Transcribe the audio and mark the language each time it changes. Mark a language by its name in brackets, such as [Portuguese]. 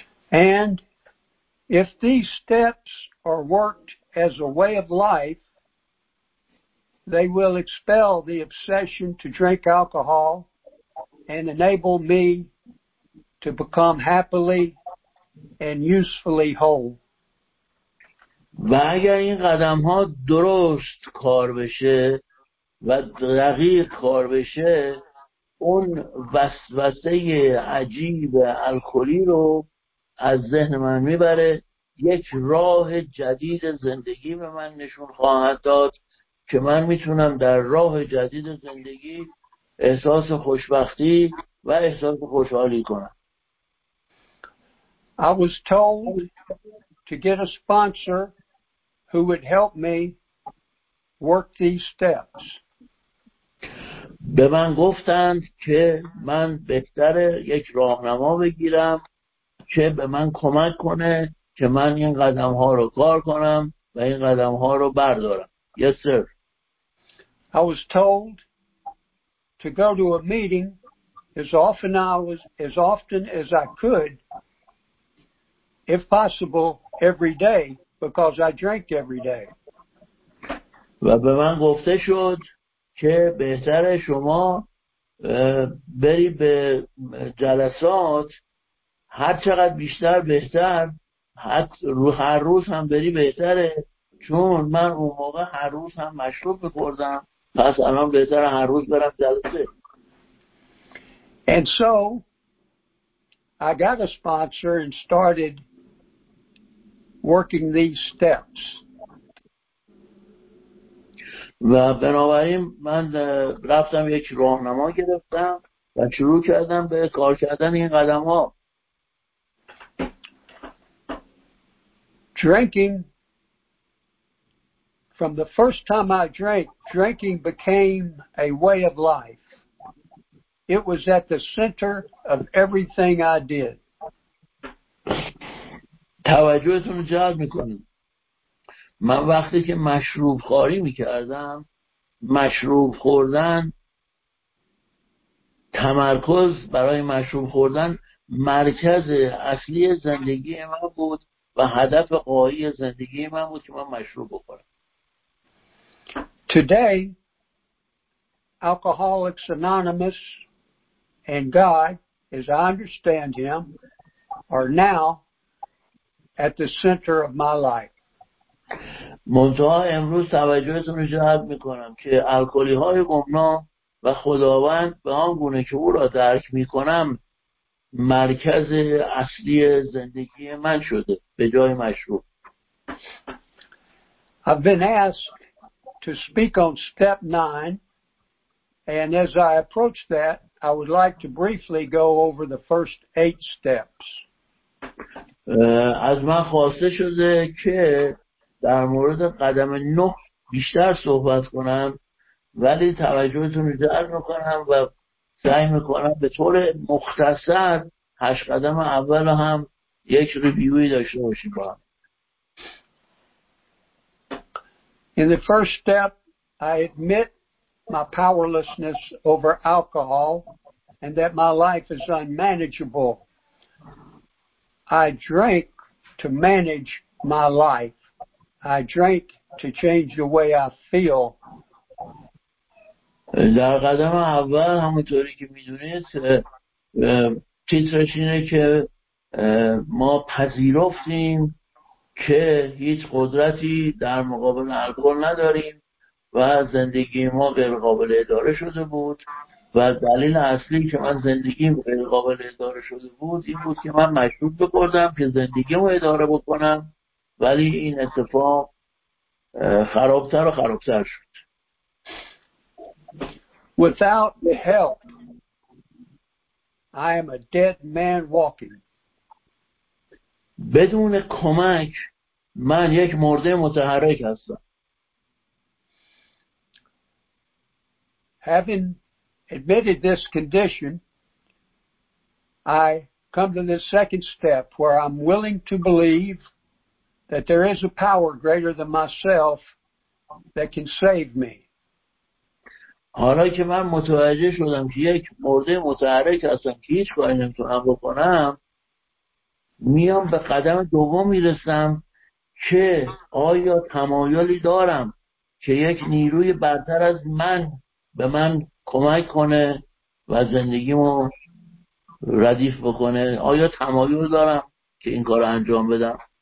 [English] And if these steps are worked as a way of life, they will expel the obsession to drink alcohol and enable me to become happily and usefully whole. [Persian] و اگر این قدم ها درست کار بشه و دقیق کار بشه، اون وسوسه عجیب الکلی رو از ذهن من میبره، یک راه جدید زندگی به من نشون خواهد داد که من میتونم در راه جدید زندگی احساس خوشبختی و احساس خوشحالی کنم. [English] I was told to get a sponsor who would help me work these steps. [Persian] به من گفتند که من بهتره یک راهنما بگیرم که به من کمک کنه که من این قدم ها رو کار کنم و این قدم ها رو بردارم. [English] Yes, sir. I was told to go to a meeting as often as I could, if possible, every day, because I drank every day. [Persian] و به من گفته شد که بهتر شما بری به جلسات هر چقدر بیشتر بهتر، هر روز هم بری بهتره، چون من اون موقع هر روز هم مشروب می‌خوردم، پس الان بهتره هر روز برم جلسه. [English] And so I got a sponsor and started working these steps. [Persian] و بنابراین من رفتم یک راهنما گرفتم و شروع کردم به کار کردن این قدم ها. [English] Drinking, from the first time I drank, drinking became a way of life. It was at the center of everything I did. [Persian] توجهتون رو جلب میکنم. من وقتی که مشروب خوری میکردم، مشروب خوردن، تمرکز برای مشروب خوردن مرکز اصلی زندگی من بود و هدف قایی زندگی من بود که من مشروب بخورم. [English] Today, Alcoholics Anonymous and God, as I understand him, are now at the center of my life. [Persian] منتها امروز توجهتون رو جلب میکنم که الکلی های گمنام و خداوند به آن گونه که او را درک میکنم مرکز اصلی زندگی من شده به جای مشروب. [English] I've been asked to speak on step 9, and as I approach that, I would like to briefly go over the first 8 steps. [Persian] از من خواسته شده که در مورد قدم 9 بیشتر صحبت کنم، ولی توجهتون رو جلب میکنم و سعی میکنم به طور مختصر 8 قدم اول هم یک ریویوی داشته باشیم. [English] In the first step, I admit my powerlessness over alcohol and that my life is unmanageable. I drank to manage my life. I drank to change the way I feel. [Persian] در قدم اول همونطوری که میدونید تیترش اینه که ما پذیرفتیم که هیچ قدرتی در مقابل الکل نداریم و زندگی ما غیر قابل اداره شده بود و دلیل اصلی که من زندگیم غیر قابل اداره شده بود این بود که من مشروب بخوردم که زندگیمو اداره بکنم، ولی این اتفاق خرابتر و خرابتر شد. [English] Without help, I am a dead man walking. [Persian] بدون کمک من یک مرده متحرک هستم. [English] Having admitted this condition, I come to this second step where I'm willing to believe that there is a power greater than myself that can save me. [Persian] حالا که من متوجه شدم که یک مرده متحرک هستم که هیچ کاری نمیتونم بکنم، میام به قدم دوم میرسم که آیا تمایلی دارم که یک نیروی برتر از من به من کمک کنه و زندگیمو ردیف بکنه، آیا تمایل دارم که این کارو انجام بدم.